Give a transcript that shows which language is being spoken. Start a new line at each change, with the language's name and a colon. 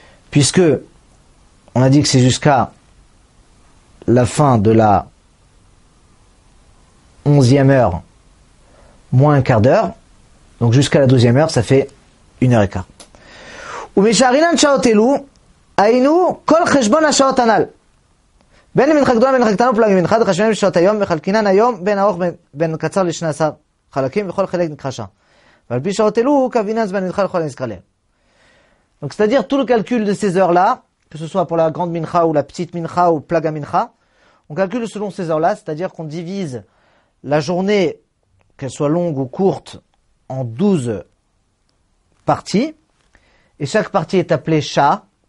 French: Puisque on a dit que c'est jusqu'à la fin de la 11e heure moins un quart d'heure. Donc jusqu'à la 12e heure, ça fait 1h15.
Hebrew: בין מנחה גדולה ומנחה קטנה ופלגי מנחה דחשבים בשעות היום וחלקינן היום בין ארוך בין קצר ל-12 חלקים וכל חלק נקרא שעה. ועל פי שעות אלו כבינן זמן מנחה לכל הנזכר להם.
French: Donc c'est-à-dire tout le calcul de ces heures-là, que ce soit pour la grande mincha ou la petite mincha ou plaga mincha, on calcule selon ces heures-là, c'est-à-dire qu'on divise la journée, qu'elle soit longue ou courte, en 12 parties, et chaque partie est appelée chat.